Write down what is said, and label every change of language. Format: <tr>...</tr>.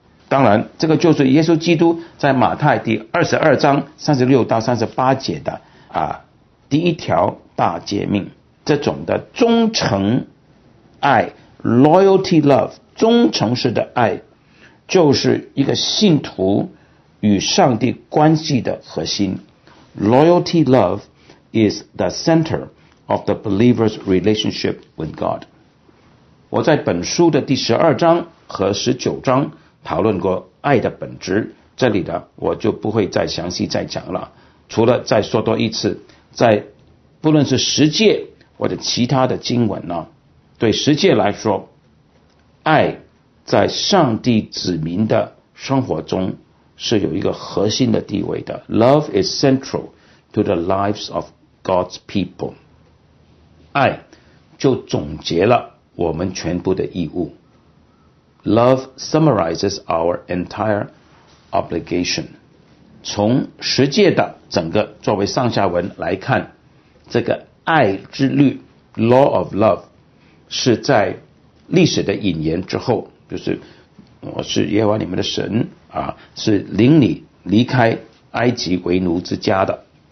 <zh>当然这个就是耶稣基督在马太第22章36到38节的第一条大诫命，这种的忠诚爱 loyalty love 忠诚式的爱就是一个信徒与上帝关系的核心。</zh> <en>loyalty love is the center of the believer's relationship with God。</en> <zh>我在本书的第12章和19章讨论过爱的本质，这里的我就不会再详细再讲了，除了再说多一次，在不论是十诫或者其他的经文呢，对十诫来说，爱在上帝子民的生活中是有一个核心的地位的。</zh> <en>Love is central to the lives of God's people。</en> <zh>爱就总结了我们全部的义务。</zh> <en>Love summarizes our entire obligation。</en> <zh>从十诫的整个作为上下文来看，这个爱之律 Law of Love 是在历史的引言之后，就是我是耶和华你们的神是领你离开埃及为奴之家的。</zh>